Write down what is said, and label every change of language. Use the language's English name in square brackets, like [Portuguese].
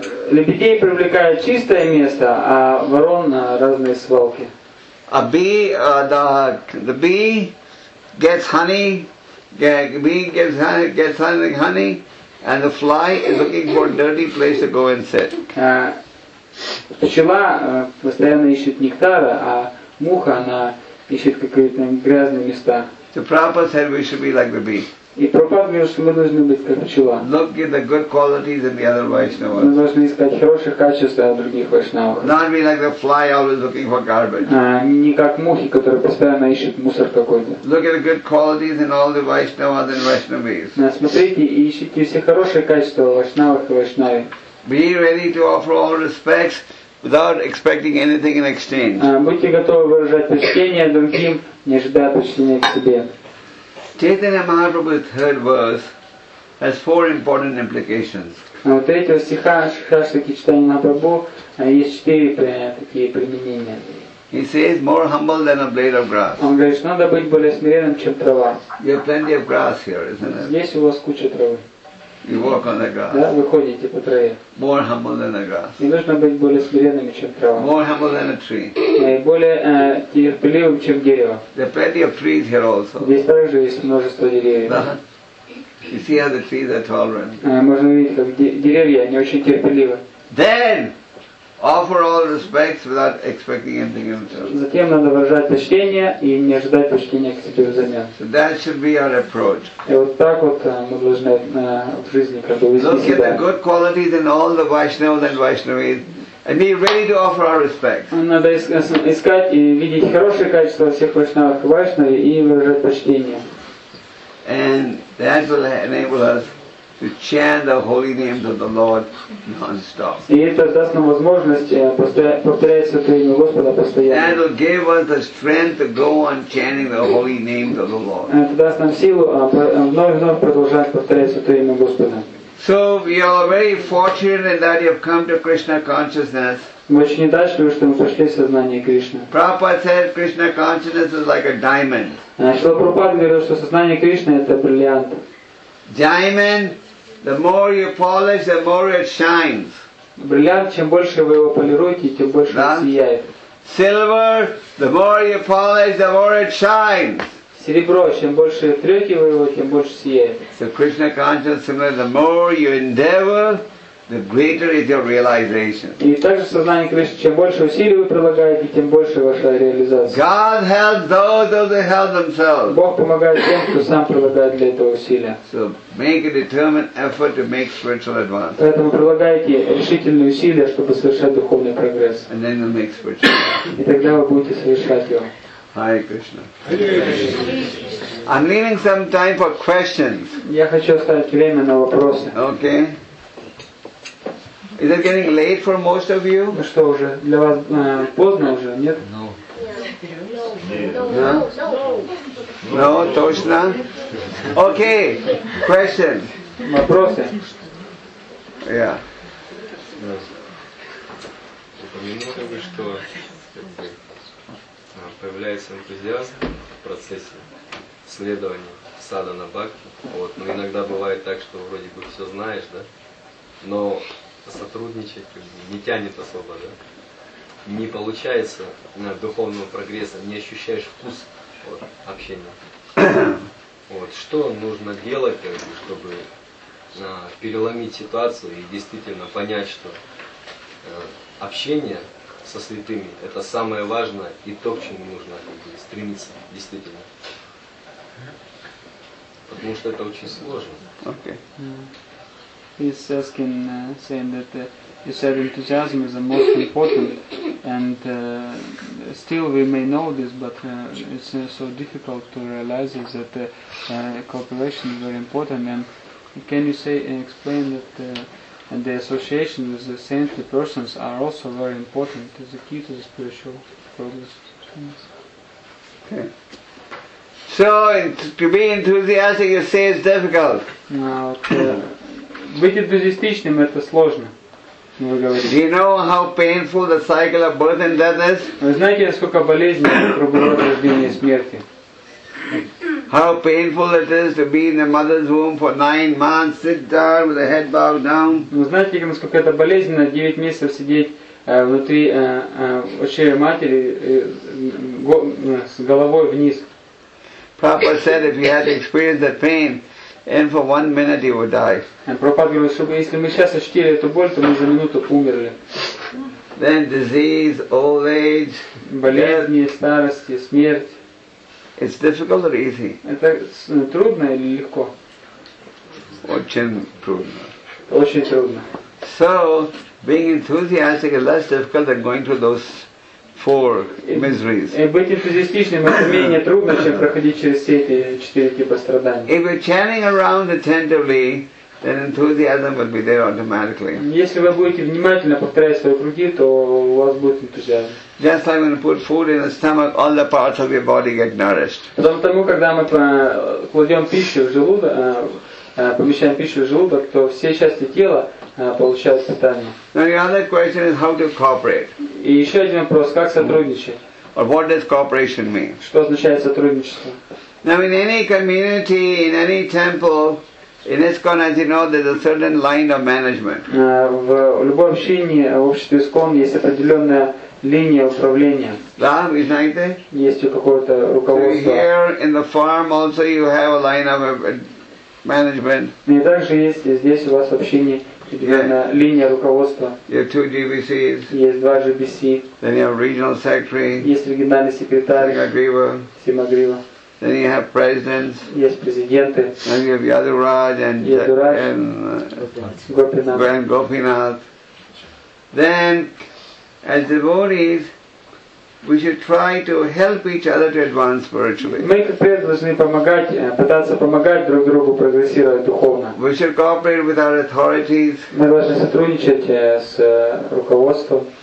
[Russian] Лебедей привлекает чистое место, а ворон разные свалки. [English] A bee, the bee gets honey. Bee gets honey, and the fly is looking for a dirty place to go and sit. [Russian] Пчела постоянно ищет нектара, а муха, она ищет какие-то грязные места. [English] The Prabhupada said we should be like the bee. [Russian] И Прабхупада говорит, что мы должны быть как пчела. [English] Look at the good qualities in the other Vaishnavas. [Russian] Мы должны искать хорошие качества в других Вайшнавах. [English] Not be like the fly always looking for garbage. [Russian] Не как мухи, которые постоянно ищут мусор какой-то. [English] Look at the good qualities in all the Vaishnavas and Vaishnavis. [Russian] Смотрите и ищите все хорошие качества в Вайшнавах и Вайшнаве. [English] Be ready to offer all respects without expecting anything in exchange. [Russian] Будьте готовы выражать почтение другим, не ожидая почтения к себе. [English] Chaitanya Mahaprabhu's third verse has four important implications. [Russian] Третьего стиха Шахарсаки Чайтанья Махапрабху есть четыре такие применения. [English] He says, more humble than a blade of grass. [Russian] Он говорит, что надо быть более смиренным, чем трава. [English] You have plenty of grass here, isn't it? [Russian] Здесь у вас куча травы. [English] You walk on the grass. [Russian] Да, вы ходите по траве. [English] More humble than the grass. [Russian] Не нужно быть более смиренными, чем трава. [English] More humble than a tree. [Russian] Более терпеливым, чем дерево. [English] There are plenty of trees here also. [Russian] Здесь также есть множество деревьев. [English] You see how the trees are tolerant. [Russian] Можно видеть, как деревья, они очень терпеливы. [English] Then, Offer all respects without expecting anything in return. [Russian] Затем надо выражать почтение и не ожидать почтения к себе взамен. [English] So that should be our approach. [Russian] И вот так вот мы должны в жизни как бы вести себя. [English] Look at the good qualities in all the Vaishnavas and Vaishnavis and be ready to offer our respects. [Russian] Надо искать и видеть хорошие качества всех вайшнавов и вайшнави и выражать почтение. [English] And that will enable us to chant the holy names of the Lord non-stop. [Russian] И это даст нам возможность повторять святое имя Господа постоянно. [English] And will give us the strength to go on chanting the holy names of the Lord. [Russian] Это даст нам силу вновь и вновь продолжать повторять святое имя Господа. [English] So you are very fortunate in that you have come to Krishna consciousness. [Russian] Мы очень удачливы, что мы пришли в сознание Кришны. [English] Prabhupada said Krishna consciousness is like a diamond. [Russian] Шрила Прабхупада говорил, что сознание Кришны это бриллиант. [English] Diamond, the more you polish, the more it shines. [Russian] Бриллиант, чем больше вы его полируете, тем больше он сияет. [English] Silver, the more you polish, the more it shines. [Russian] Серебро, чем больше трете вы его, тем больше сияет. [English] So Krishna consciousness, the more you endeavor, the greater is your realization. [Russian] И также сознание Кришны, чем больше усилий вы прилагаете, тем больше ваша реализация. [English] God helps those who they help themselves. [Russian] Бог помогает тем, кто сам прилагает для этого усилия. [English] So make a determined effort to make spiritual advance. [Russian] Поэтому прилагайте решительные усилия, чтобы совершать духовный прогресс. [English] And then you'll make spiritual advance. [Russian] И тогда вы будете совершать его. [English] Hare Krishna. I'm leaving some time for questions. [Russian] Я хочу оставить время на вопросы. [English] Okay. Is it getting late for most of you? [Russian] Ну что уже, для вас поздно уже, нет? [English] No. Yeah. No. No, [Russian] точно? [English] Okay, question. [Russian] Вопросы? [English] Yeah. [Russian] Упомянул, как бы, что появляется энтузиазм в процессе следования садхана бхакти. Вот. Но иногда бывает так, что вроде бы все знаешь, да? Но сотрудничать, не тянет особо, да? Не получается духовного прогресса, не ощущаешь вкус вот, общения. Вот, что нужно делать, чтобы переломить ситуацию и действительно понять, что общение со святыми – это самое важное и то, к чему нужно стремиться действительно. Потому что это очень сложно. [English] Okay. He's asking, saying that you said enthusiasm is the most important, and still we may know this, but it's so difficult to realize is that cooperation is very important. And can you say and explain that and the association with the saintly persons are also very important as a key to the spiritual progress? Okay. So to be enthusiastic, you say it's difficult. Okay. [Russian] Быть энтузиастичным – это сложно, вы говорите. [English] Do you know how painful the cycle of birth and death is? [Russian] Вы знаете, сколько болезней вокруг рождения и смерти? [English] How painful it is to be in the mother's womb for 9 months, sit down with the head bowed down? [Russian] Вы знаете, насколько это болезненно 9 месяцев сидеть внутри чрева матери с головой вниз? [English] Papa said if you had experienced the pain, and for 1 minute he would die. And [Russian] Prabhupada говорил, что если мы сейчас ощутили эту боль, то мы за минуту умерли. [English] Then disease, old age, [Russian] болезни, старости, смерть. [English] It's difficult or easy? [Russian] Это трудно или легко? Очень трудно. Очень трудно. [English] So being enthusiastic is less difficult than going through those four miseries. [Russian] И быть энтузиастичным это менее трудно, чем проходить через все эти четыре типа страданий. [English] If you're chanting around attentively, then enthusiasm will be there automatically. [Russian] Если вы будете внимательно повторять свои круги, то у вас будет энтузиазм. [English] Just like when you put food in the stomach, all the parts of your body get nourished. [Russian] Подобно тому, когда мы кладем пищу в желудок, помещаем пищу в желудок, то все части тела получают питание. [English] Now the other question is how to cooperate. [Russian] И еще один вопрос, как сотрудничать? [English] Or what does cooperation mean? [Russian] Что означает сотрудничество? [English] Now in any community, in any temple, in ISKCON, as you know, there's a certain line of management. [Russian] В любой общине, в обществе ISKCON, есть определенная линия управления. Да, вы знаете? Есть какое-то руководство. [English] So here in the farm also you have a line of management. [Russian] И также есть здесь у вас в общине линия руководства. [English] You have two GBCs. [Russian] Есть два GBC. [English] Then you have regional secretary. [Russian] Есть региональный секретарь. Симагрива. Симагрива. [English] Then you have presidents. [Russian] Есть президенты. [English] Then you have Yadiraj and Gopinath. Grand Gopinath. Then, as devotees, we should try to help each other to advance spiritually. [Russian] Мы теперь должны пытаться помогать друг другу прогрессировать духовно. [English] We should cooperate with our authorities. [Russian] Мы должны сотрудничать с руководством.